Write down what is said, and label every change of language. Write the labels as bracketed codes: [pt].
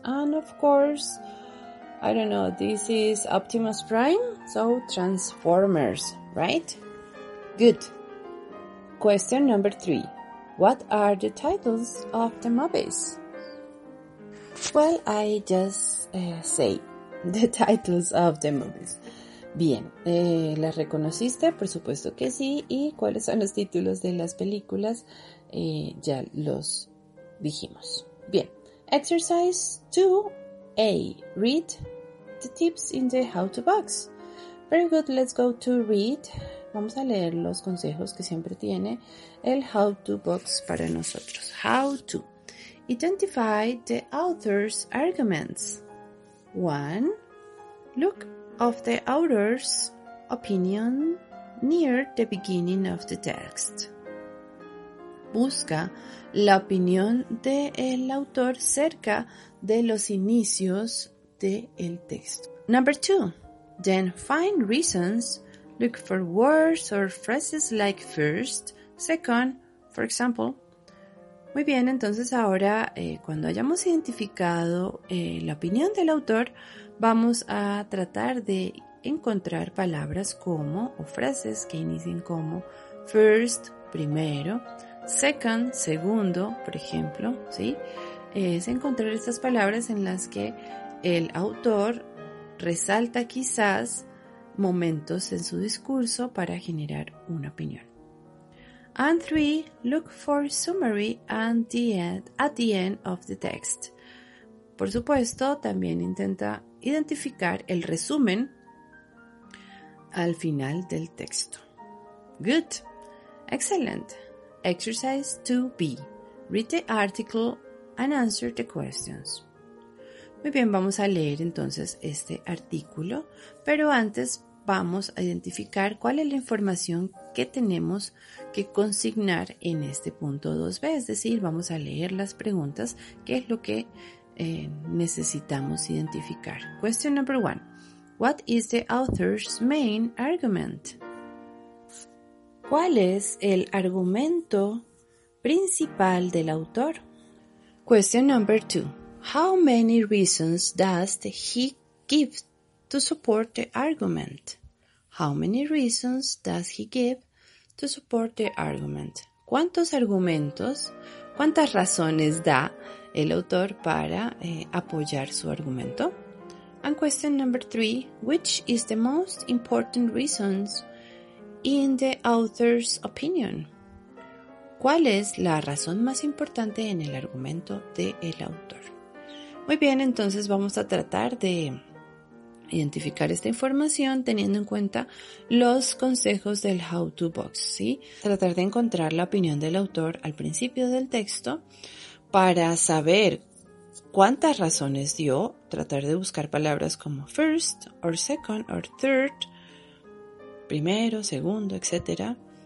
[en] And of course, I don't know, this is Optimus Prime, so Transformers, right? Good. Question number 3. What are the titles of the movies? Well, I just say the titles of the movies. [es] Bien, ¿las reconociste? Por supuesto que sí. ¿Y cuáles son los títulos de las películas? Ya los dijimos. Bien, [en] exercise 2A. Read the tips in the how-to box. Very good, let's go to read. [es] Vamos a leer los consejos que siempre tiene el how-to box para nosotros. How to. [en] Identify the author's arguments. 1. Look of the author's opinion near the beginning of the text. [es] Busca la opinión del autor cerca de los inicios del texto. [en] Number 2. Then find reasons. Look for words or phrases like first, second, for example. [es] Muy bien, entonces ahora cuando hayamos identificado la opinión del autor, vamos a tratar de encontrar palabras como o frases que inicien como first, primero, second, segundo, por ejemplo, ¿sí? Es encontrar estas palabras en las que el autor resalta quizás momentos en su discurso para generar una opinión. [en] And 3, look for summary and the end, at the end of the text. [es] Por supuesto, también intenta identificar el resumen al final del texto. [en] Good. Excellent. Exercise 2B. Read the article and answer the questions. [es] Muy bien, vamos a leer entonces este artículo, pero antes vamos a identificar cuál es la información que tenemos que consignar en este punto 2B, es decir, vamos a leer las preguntas, qué es lo que necesitamos identificar. [en] Question number 1. What is the author's main argument? [es] ¿Cuál es el argumento principal del autor? [en] Question number 2. How many reasons does he give to support the argument? How many reasons does he give to support the argument? [es] ¿Cuántos argumentos, cuántas razones da el autor para apoyar su argumento? [en] And question number 3, which is the most important reasons in the author's opinion? [es] ¿Cuál es la razón más importante en el argumento del autor? Muy bien, entonces vamos a tratar de identificar esta información teniendo en cuenta los consejos del How to Box, ¿sí? Tratar de encontrar la opinión del autor al principio del texto para saber cuántas razones dio, tratar de buscar palabras como [en] first, or second, or third, [es] primero, segundo, etc.